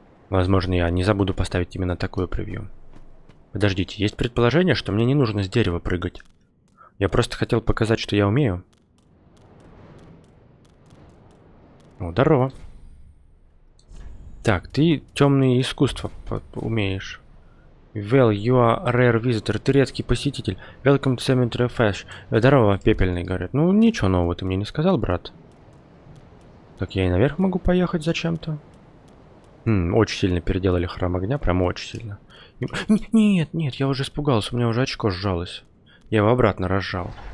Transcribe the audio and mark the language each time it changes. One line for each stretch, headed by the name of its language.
Russian: Возможно, я не забуду поставить именно такую превью. Подождите, есть предположение, что мне не нужно с дерева прыгать. Я просто хотел показать, что я умею. О, здорово. Так, ты темные искусства умеешь.
English: Well, you are rare visitor.
Russian: Ты редкий посетитель.
English: Welcome to Cemetery of Ash.
Russian: Здорово, пепельный, говорит. Ну, ничего нового ты мне не сказал, брат. Так я и наверх могу поехать зачем-то. Очень сильно переделали храм огня. Прямо очень сильно. Нет, нет, я уже испугался. У меня уже очко сжалось. Я его обратно разжал.